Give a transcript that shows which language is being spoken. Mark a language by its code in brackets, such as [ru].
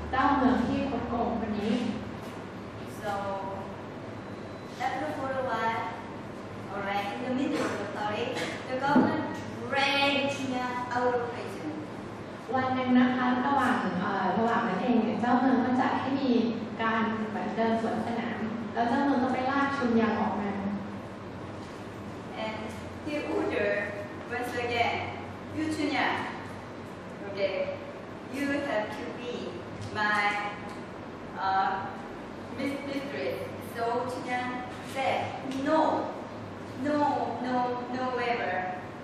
[th] เขาก็เลยจะต้องจัดการอะไรบางอย่างกับเจ้าเมืองที่คดโกงคนนี้ [en] So after for a while, alright, in the middle of the story, the government dragged Chunyang out of prison. [th] วันหนึ่งนะคะระหว่างนั้นเองเจ้าเมืองก็จะให้มีการเดินสวนสนามแล้วเจ้าเมืองก็ไปลากชุนยางออกมา [en] And he ordered once again, you Chunyang, okay, you have to be my mistress. So Chunyang said, no, no, no, no ever.